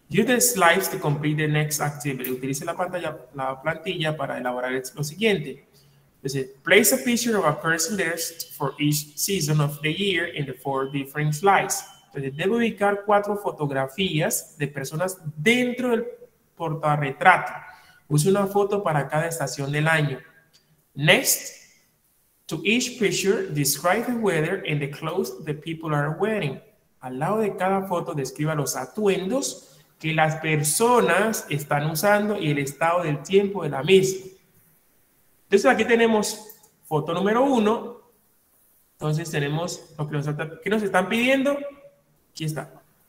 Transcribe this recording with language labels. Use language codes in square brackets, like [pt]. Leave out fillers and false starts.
[en] Use the slides to complete the next activity. [es] Utilice la plantilla para elaborar lo siguiente. [en] Entonces, place a picture of a person dressed for each season of the year in the four different slides. [es] Entonces, debe ubicar cuatro fotografías de personas dentro del portarretrato. Use una foto para cada estación del año. [en] Next, to each picture, describe the weather and the clothes the people are wearing. [es] Al lado de cada foto, describa los atuendos que las personas están usando y el estado del tiempo de la misma. Entonces, aquí tenemos foto número uno. Entonces, tenemos lo que nos están pidiendo. Aquí está.